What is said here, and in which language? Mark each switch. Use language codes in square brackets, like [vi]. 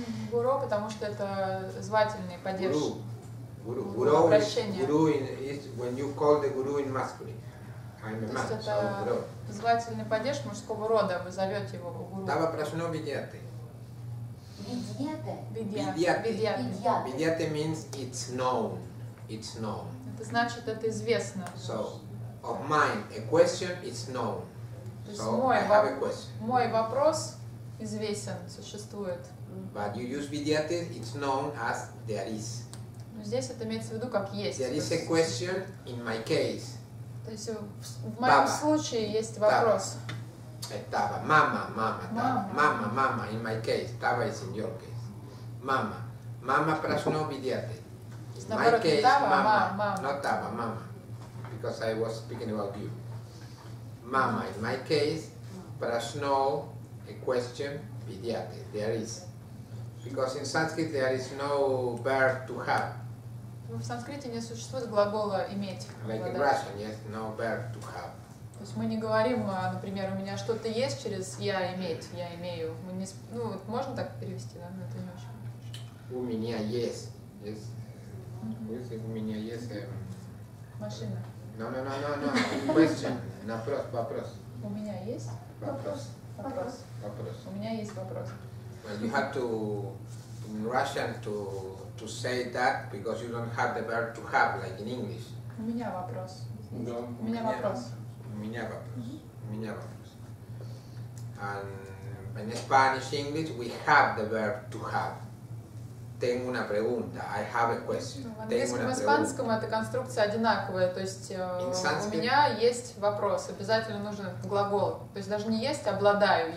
[ru] Guru, потому что это звательный падеж. [sa] Guru. Guru. [en] Guru, is, guru in, is when you call the Guru in masculine. [ru] То есть это звательный падеж мужского рода, вы зовете его гуру. [sa] Тава прашно видьяте. Видьяте. Видьяте [en] means it's known. It's known. [ru] Это значит, это известно. [en] So, of mine, a question is known. [ru] То есть мой, мой вопрос известен, существует. [en] But you use [sa] видьяте, [en] it's known as there is. [ru] Но здесь это имеется в виду как есть. [en] There is a question in my case. [ru] То есть в моем случае есть вопрос. [sa] Тава. Мама, мама, тава. Мама, мама, [en] in my case. [sa] Тава [en] is in your case. [sa] Мама. Мама прашно видяте. [en] My case, [sa] мама. [en] Not [sa] тава, мама. [en] Because I was speaking about you. Мама, in my case, прашно, a question, видяте. There is. Because in Sanskrit there is no verb to have. [ru] В санскрите не существует глагола иметь. [en] Like in Russian, yes, no verb to have. [ru] То есть мы не говорим, например, у меня что-то есть через я иметь, я имею. Мы не, ну, можно так перевести, да? Это не очень. У меня есть. [en] Yes. Mm-hmm. [ru] У меня есть. Машина. [en] No. Question. [ru] Вопрос. Вопрос. У меня есть вопрос. Вопрос. Вопрос. У меня есть вопрос. [en] Well, you have to in Russian to to say that because you don't have the verb to have like in English. [ru] У меня вопрос. Да. У меня вопрос. У меня вопрос. У меня вопрос. [en] And in Spanish English we have the verb to have. [es] Tengo una pregunta. [en] I have a question. [ru] В испанском эта конструкция одинаковая, то есть у меня есть вопрос. Обязательно нужен глагол. То есть даже не есть, обладаю.